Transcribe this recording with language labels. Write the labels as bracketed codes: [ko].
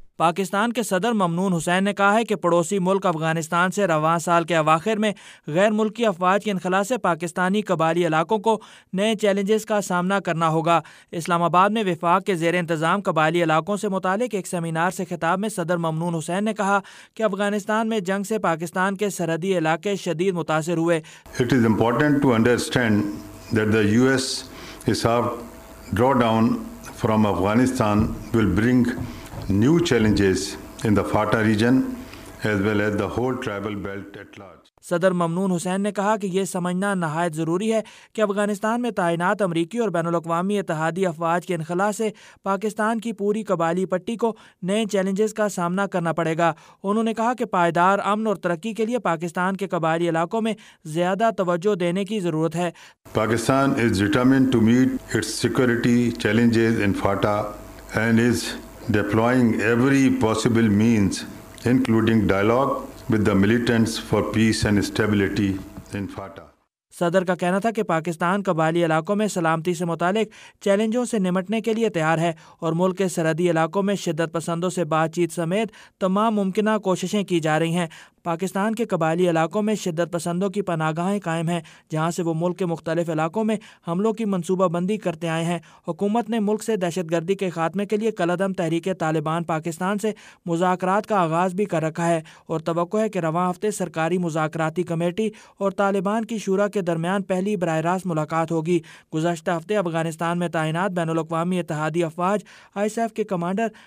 [ur] پاکستان کے صدر ممنون حسین نے کہا ہے کہ پڑوسی ملک افغانستان سے رواں سال کے اواخر میں غیر ملکی افواج کے انخلاء سے پاکستانی قبائلی علاقوں کو نئے چیلنجز کا سامنا کرنا ہوگا۔ اسلام آباد میں وفاق کے زیر انتظام قبائلی علاقوں سے متعلق ایک سیمینار سے خطاب میں صدر ممنون حسین نے کہا کہ افغانستان میں جنگ سے پاکستان کے سرحدی علاقے شدید متاثر ہوئے۔ [en] It is important to understand that the US have drawdown from Afghanistan will bring new challenges in the FATA region as well as the whole tribal belt at large. [ur] صدر ممنون حسین نے کہا کہ یہ سمجھنا نہایت ضروری ہے کہ افغانستان میں تعینات امریکی اور بین الاقوامی اتحادی افواج کے انخلاء سے پاکستان کی پوری قبائلی پٹی کو نئے چیلنجز کا سامنا کرنا پڑے گا۔ انہوں نے کہا کہ پائیدار امن اور ترقی کے لیے پاکستان کے قبائلی علاقوں میں زیادہ توجہ دینے کی ضرورت ہے۔ [en] Pakistan is determined to meet its security challenges in FATA and is deploying every possible means including dialogue with the militants for peace and stability in FATA. [ur] صدر کا کہنا تھا کہ پاکستان قبائلی علاقوں میں سلامتی سے متعلق چیلنجوں سے نمٹنے کے لیے تیار ہے اور ملک کے سرحدی علاقوں میں شدت پسندوں سے بات چیت سمیت تمام ممکنہ کوششیں کی جا رہی ہیں۔ پاکستان کے قبائلی علاقوں میں شدت پسندوں کی پناہ گاہیں قائم ہیں جہاں سے وہ ملک کے مختلف علاقوں میں حملوں کی منصوبہ بندی کرتے آئے ہیں۔ حکومت نے ملک سے دہشت گردی کے خاتمے کے لیے کلعدم تحریک طالبان پاکستان سے مذاکرات کا آغاز بھی کر رکھا ہے اور توقع ہے کہ رواں ہفتے سرکاری مذاکراتی کمیٹی اور طالبان کی شورا کے درمیان پہلی براہ راست ملاقات ہوگی۔ گزشتہ ہفتے افغانستان میں تعینات بین الاقوامی اتحادی افواج آئی ایس ایف کے کمانڈر